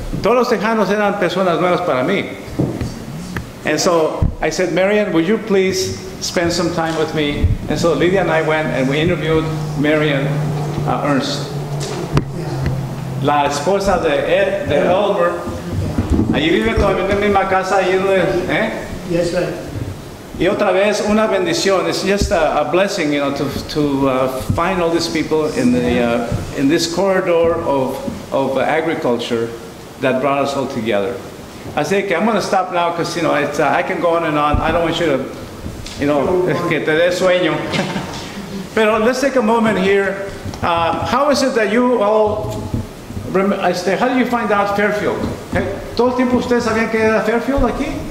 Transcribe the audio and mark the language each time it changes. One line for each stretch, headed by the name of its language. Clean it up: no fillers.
Spanish: Todos los tejanos eran personas nuevas para mí.
English: And so I said, Marian, would you please spend some time with me? And so Lydia and I went and we interviewed Marian Ernst.
Spanish: La esposa de Ed, de Elmer. Allí vive todavía en la misma casa, ahí donde, ¿eh?
English: Yes, sir.
Spanish: Y otra vez, una bendición.
English: It's just a blessing, you know, to find all these people in this corridor of agriculture that brought us all together. I say, okay, I'm going to stop now because, you know, it's, I can go on and on. I don't want you to, you know,
Spanish: que te dé sueño.
English: Pero let's take a moment here. How is it that you all, how did you find out Fairfield?
Spanish: ¿Todo el tiempo ustedes sabían que era Fairfield aquí?